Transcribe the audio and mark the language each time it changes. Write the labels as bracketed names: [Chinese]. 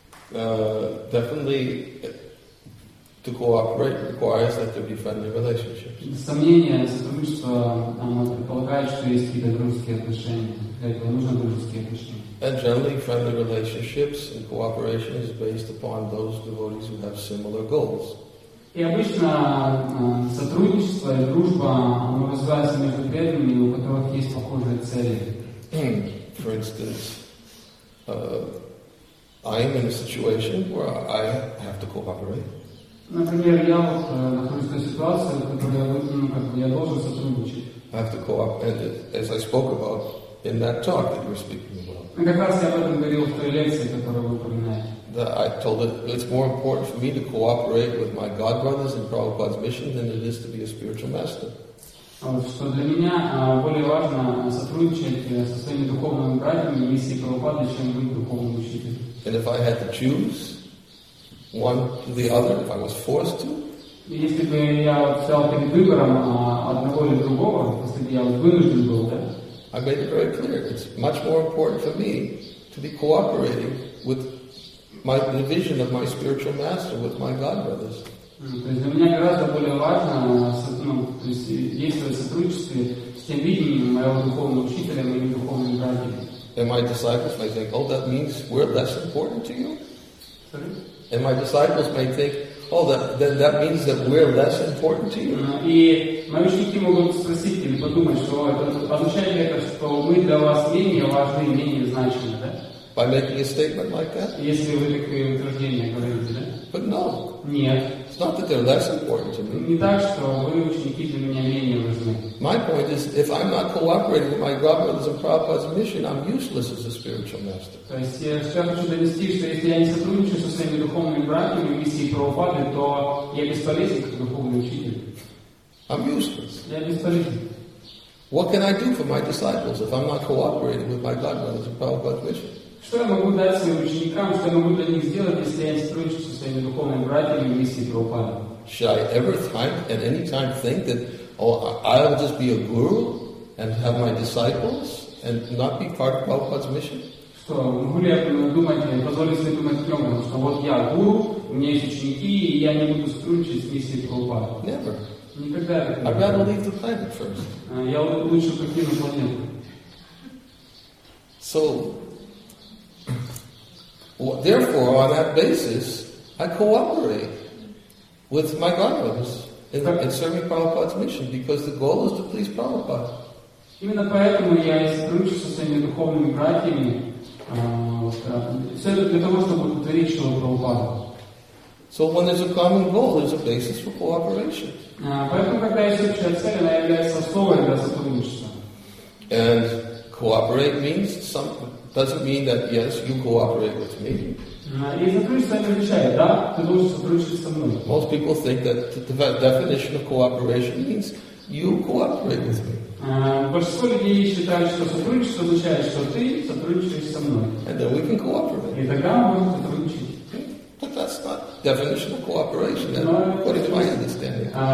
[English] Definitely, to cooperate requires that there be friendly relationships. [Russian] Сомнения сотрудничества предполагают, что есть какие-то дружеские отношения. Для этого нужны дружеские отношения. [English] And generally, friendly relationships and cooperation is based upon those devotees who have similar goals. [Russian] И обычно сотрудничество и дружба развивается между преданными, у которых есть похожие цели. [English] For instance. I am in a situation where I have to cooperate. [Russian] Например, я нахожусь в той ситуации, в которой я должен сотрудничать. [English] I have to cooperate, as I spoke about in that talk that you were speaking about. [Russian] Как раз я об этом говорил в той лекции, которую вы упоминаете. [English] That I told it, it's more important for me to cooperate with my God brothers in Prabhupada's mission than it is to be a spiritual master. [Russian] Что для меня более важно сотрудничать со своими духовными братьями, миссией Прабхупады, чем быть духовным учителем. [English] And if I had to choose one to the other, if I was forced to? [Russian] Если бы я стал перед выбором одного или другого, если бы я вынужден был, да? [English] I made it very clear. It's much more important for me to be cooperating with my the vision of my spiritual master, with my God brothers. [Russian] То есть для меня гораздо более важно, ну, то есть действовать в сотрудничестве с тем видением моего духовного учителя, моими духовными братьями. [English] And my disciples may think, oh, that means we're less important to you? Sorry? And my disciples may think, oh, that means that we're less important to you? [Russian] И мои ученики могут спросить или подумать, что это означает ли это, что мы для вас менее важны, менее значимы, да? [English] By making a statement like that? [Russian] Если вы такое утверждение говорите, да? [English] But no. [Russian] Нет. [English] Not that they're less important to me. [Russian] Не так, что вы ученики для меня менее важны. [English] My point is, if I'm not cooperating with my God brothers and Prabhupada's mission, I'm useless as a spiritual master. [Russian] То есть я хочу донести, что если я не сотрудничаю со своими духовными братьями в миссии Прабхупады, то я бесполезен как духовный учитель. [English] I'm useless. [Russian] Я бесполезен. [English] What can I do for my disciples if I'm not cooperating with my God brothers and Prabhupada's mission? [Russian] Что я могу дать своим ученикам, что я могу для них сделать, если я не сотрудничаю со своими духовными братьями в миссии Прабхупады? [English] Should I ever time, at any time think that, oh, I'll just be a guru and have my disciples and not be part of Prabhupada's mission? [Russian] Что, могу ли я думать, позволить себе думать таким образом, что вот я гуру, у меня есть ученики, и я не буду сотрудничать с миссией Прабхупады? [English] Never. [Russian] Никогда. [English] I'd rather leave the planet first. [Russian] Я лучше покину планету. [English] So, well, therefore, on that basis, I cooperate with my godbrothers in serving Prabhupada's mission, because the goal is to please Prabhupada. [Russian] Именно поэтому я и сотрудничаю со своими духовными братьями, для того, чтобы удовлетворить своего Прабхупада. [English] So when there's a common goal, there's a basis for cooperation. [Russian] Поэтому, когда есть общая цель, она является основой для сотрудничества. [English] And cooperate means something. Doesn't mean that yes, you cooperate with me. Most people think that the definition of cooperation means you cooperate with me. [Russian] Большинство людей считают, что сотрудничество означает, что ты сотрудничаешь со мной. [English] And then we can cooperate. [Russian] И тогда мы можем сотрудничать. [English] But that's not definition of cooperation, then, according to my understanding.